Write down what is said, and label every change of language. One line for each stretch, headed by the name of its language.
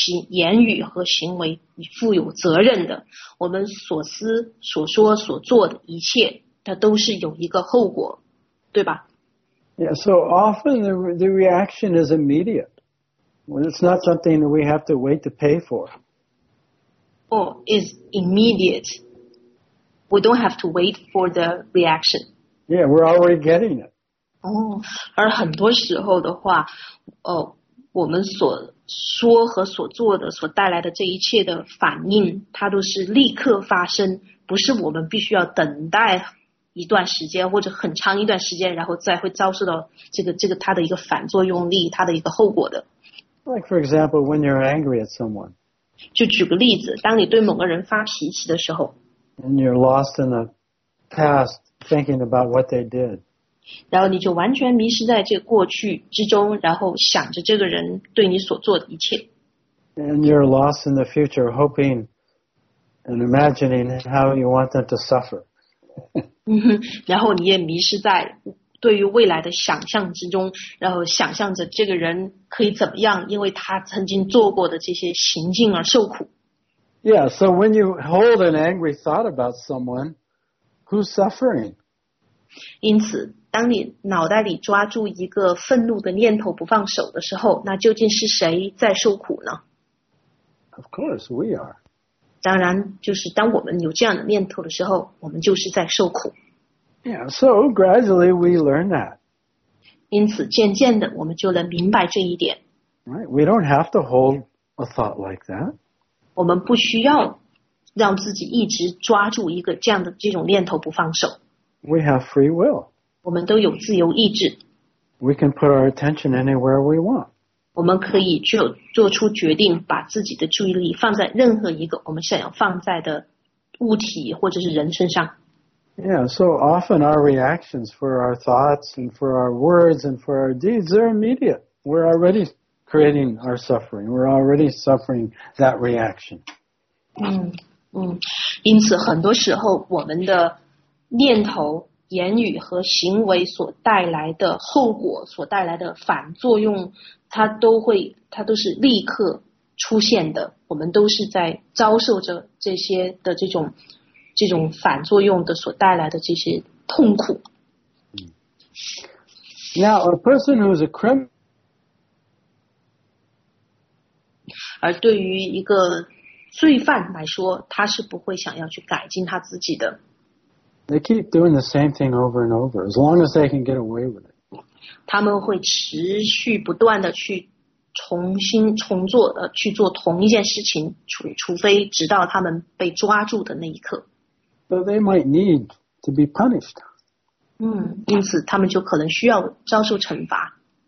Chinese: 言语和行为负有责任的，我们所思所说所做的一切，它都是有一个后果，对吧？
English: Yeah, so often the reaction is immediate. Well, it's not something that we have to wait to pay for. Oh, it's immediate. We don't have to wait for the reaction. Yeah, we're already getting it.
Chinese: 而很多时候的话，我们所说和所做的所带来的这一切的反应，它都是立刻发生，不是我们必须要等待一段时间或者很长一段时间，然后再会遭受到这个它的一个反作用力，它的一个后果的。
English: Like for example, when you're angry at someone.
Chinese: 就举个例子，当你对某个人发脾气的时候。
English: And you're lost in the past, thinking about what they did.
Chinese: 然后你就完全迷失在这个过去之中，然后想着这个人对你所做的一切。
English: And you're lost in the future, hoping and imagining how you want them to suffer.
Chinese: 然后你也迷失在对于未来的想象之中，然后想象着这个人可以怎么样，因为他曾经做过的这些行径而受苦。
English: Yeah, so when you hold an angry thought about someone, who's suffering?
Chinese: 因此当你脑袋里抓住一个愤怒的念头不放手的时候，那究竟是谁在受苦呢？
English: Of course, we are.
Chinese: 当然，就是当我们有这样的念头的时候，我们就是在受苦。
English: Yeah, so gradually we learn that.
Chinese: 因此，渐渐的，我们就能明白这一点。
English: Right, we don't have to hold a thought like that.
Chinese: 我们不需要让自己一直抓住一个这种念头不放手。
English: We have free will.
Chinese: 我们都有自由意志。
English: We can put our attention anywhere we want.
Chinese: 我们可以就做出决定，把自己的注意力放在任何一个我们想要放在的物体或者是人身上。
English: Yeah, so often our reactions for our thoughts and for our words and for our deeds are immediate. We're already creating our suffering. We're already suffering that reaction.
Chinese: 因此很多时候我们的念头言语和行为所带来的后果，所带来的反作用，它都是立刻出现的。我们都是在遭受着这些的这种反作用的所带来的这些痛苦。
English: Now, a person who is a criminal,
Chinese: 而对于一个罪犯来说，他是不会想要去改进他自己的。
English: They keep doing the same thing over and over, as long as they can get away with it.
Chinese: 他们会持续不断地去重新重做的去做同一件事情，除非直到他们被抓住的那一刻。
English: But they might need to be punished.
Chinese: 因此他们就可能需要遭受惩罚。